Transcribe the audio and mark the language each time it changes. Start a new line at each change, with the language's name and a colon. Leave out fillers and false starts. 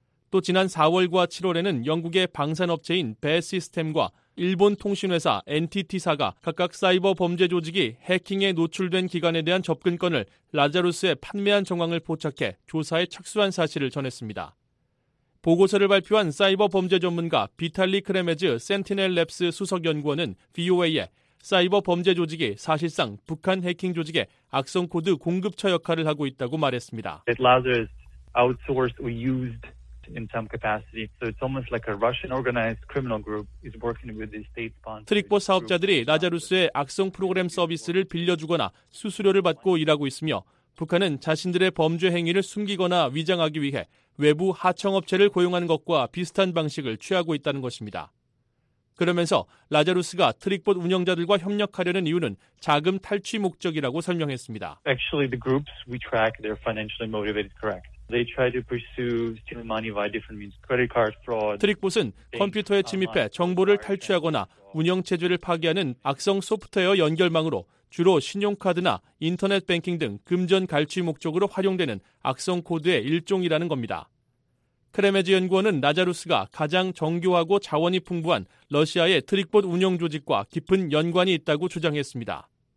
Korean: 또 지난 4월과 7월에는 영국의 방산업체인 배시스템과 일본 통신회사 NTT사가 각각 사이버 범죄 조직이 해킹에 노출된 기관에 대한 접근권을 라자루스에 판매한 정황을 포착해 조사에 착수한 사실을 전했습니다. 보고서를 발표한 사이버 범죄 전문가 비탈리 크레메즈 센티넬 랩스 수석연구원은 VOA에 사이버 범죄 조직이 사실상 북한 해킹 조직의 악성 코드 공급처 역할을 하고 있다고 말했습니다.
English: Lazarus outsourced or used in some capacity. So it's almost like a Russian organized criminal group is working with the state sponsored.
Korean: 트릭봇 사업자들이 라자루스의 악성 프로그램 서비스를 빌려주거나 수수료를 받고 일하고 있으며 북한은 자신들의 범죄 행위를 숨기거나 위장하기 위해 외부 하청업체를 고용하는 것과 비슷한 방식을 취하고 있다는 것입니다. 그러면서 라자루스가 트릭봇 운영자들과 협력하려는 이유는 자금 탈취 목적이라고 설명했습니다.
English: Actually, the groups we track, they're financially motivated, correct. They try to pursue stealing money via different means, credit card fraud.
Korean: 트릭봇은 컴퓨터에 침입해 정보를 탈취하거나 운영 체제를 파괴하는 악성 소프트웨어 연결망으로 주로 신용카드나 인터넷 뱅킹 등 금전 갈취 목적으로 활용되는 악성 코드의 일종이라는 겁니다. 크레메즈 연구원은 라자루스가 가장 정교하고 자원이 풍부한 러시아의 트릭봇 운영 조직과 깊은 연관이 있다고 주장했습니다.